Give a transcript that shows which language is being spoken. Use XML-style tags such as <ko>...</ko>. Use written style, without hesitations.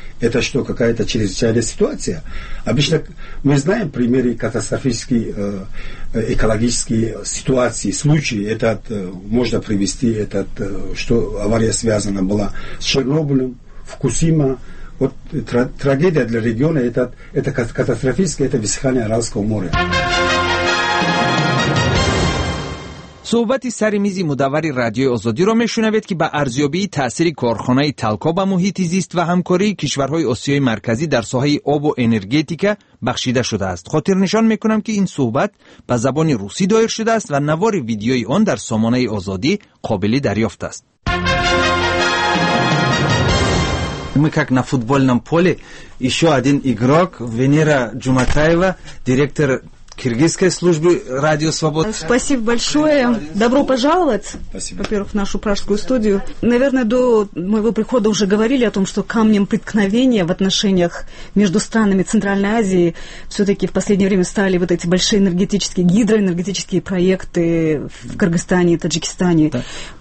<ru>Это что, какая-то чрезвычайная ситуация? Обычно мы знаем примеры катастрофической экологической ситуации, случаи. Можно привести, что авария связана была с Чернобылем, Фукусима. Вот трагедия для региона, это катастрофическое, это высыхание Аральского моря.</ru> <fa>صحبتی سر میزی مدوری رادیو آزادی رو میشنوید که با ارزیابی تأثیر کارخانه تلکا با محیط زیست و همکاری کشورهای آسیای مرکزی در ساحه آب و انرژتیکا بخشیده شده است. خاطر نشان میکنم که این صحبت به زبان روسی دایر شده است و نوار ویدیوی آن در سامانه آزادی قابل دریافت است.</fa> <ru>Мы как на футбольном поле, еще один игрок Венера Джуматаева, директор Киргизской службы Радио Свобода. Спасибо большое. Добро пожаловать, во-первых, в нашу пражскую студию. Наверное, до моего прихода уже говорили о том, что камнем преткновения в отношениях между странами Центральной Азии все-таки в последнее время стали вот эти большие энергетические, гидроэнергетические проекты в Кыргызстане и Таджикистане. Да.</ru>